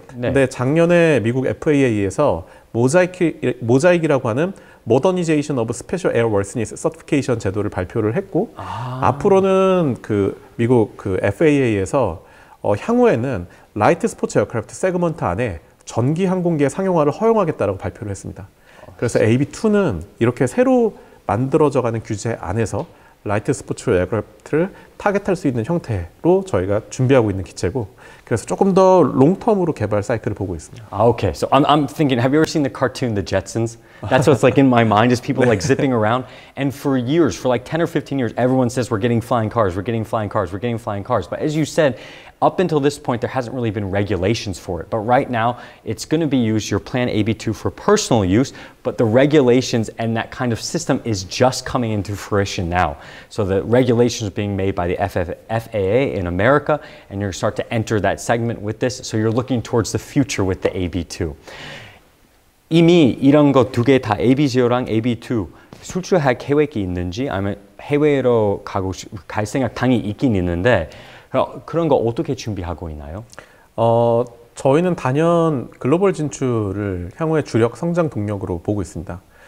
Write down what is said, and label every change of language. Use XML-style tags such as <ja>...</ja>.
<ko>근데 작년에 미국 FAA에서 모자이크라고 하는 Modernization of Special Airworthiness Certification 제도를 발표를 했고 앞으로는 그 미국 그 FAA에서 향후에는 라이트 스포츠 에어크래프트 세그먼트 안에 전기 항공기의 상용화를 허용하겠다라고 발표를 했습니다. 그래서 AB2는 이렇게 새로 만들어져가는 규제 안에서 라이트 스포츠 에어크래프트를 타겟할 수 있는 형태로 저희가 준비하고 있는 기체고 그래서 조금 더 롱텀으로 개발 사이클을 보고 있습니다. 아, okay.</ko> <en>So I'm thinking, have you ever seen the cartoon The Jetsons? That's what's like in my mind is people 네. like zipping around. And for years, for like 10 or 15 years, everyone says we're getting flying cars, we're getting flying cars, we're getting flying cars. But as you said, up until this point, there hasn't really been regulations for it. But right now, it's going to be used, your plan AB2 for personal use, but the regulations and that kind of system is just coming into fruition now. So the regulations are being made by the FAA in America, and you're going to start to enter that segment with this. So you're looking towards the future with the AB2.</en> <ko>이미 이런 거 두 개 다 AB0랑 AB2 수출할 계획이 있는지 아니면 해외로 가고 갈 생각 당이 있긴 있는데 그런 거 어떻게 준비하고 있나요? 저희는 단연 글로벌 진출을 향후의 주력 성장 동력으로 보고 있습니다.</ko>